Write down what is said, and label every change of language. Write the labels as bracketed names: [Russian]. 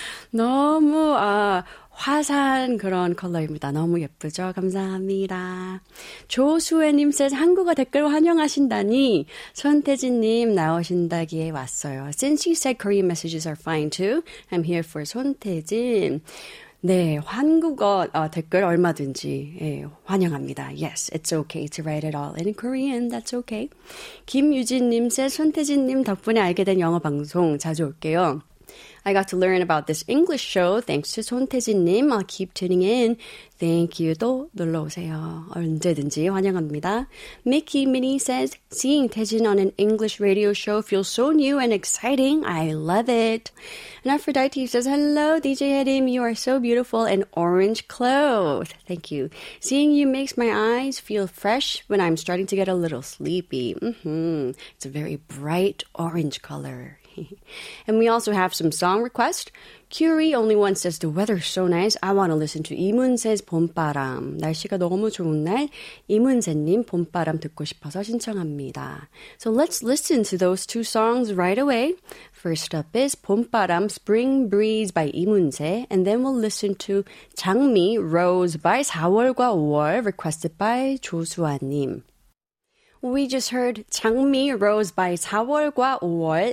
[Korean] 너무, 화사한 그런 컬러입니다. 너무 예쁘죠? 감사합니다. 조수혜님 [English] says, [Korean] 한국어 댓글 환영하신다니 손태진님 나오신다기에 왔어요. [English] Since you said Korean messages are fine too, I'm here for 손태진. [Korean] 네, 한국어 댓글 얼마든지 예, 환영합니다. [English] Yes, it's okay to write it all in Korean. That's okay. [Korean] 김유진님 [English] says, [Korean] 손태진님 덕분에 알게 된 영어 방송 자주 올게요. [English] I got to learn about this English show thanks to 손태진님. I'll keep tuning in. Thank you. [Korean] 또 놀러오세요. 언제든지 환영합니다. [English] Mickey Minnie says, Seeing 태진 on an English radio show feels so new and exciting. I love it. And Aphrodite says, Hello, DJ Hedim. You are so beautiful and orange clothed. Thank you. Seeing you makes my eyes feel fresh when I'm starting to get a little sleepy. Mm-hmm. It's a very bright orange color. And we also have some song requests. Curie only once says the weather's so nice. I want to listen to 이문세's 봄바람. [Korean] 날씨가 너무 좋은 날 이문세님 봄바람 듣고 싶어서 신청합니다. [English] So let's listen to those two songs right away. First up is 봄바람, Spring Breeze by 이문세. And then we'll listen to 장미, Rose by 4월과 5월 requested by 조수아님. We just heard 장미 Rose by 4월과 5월.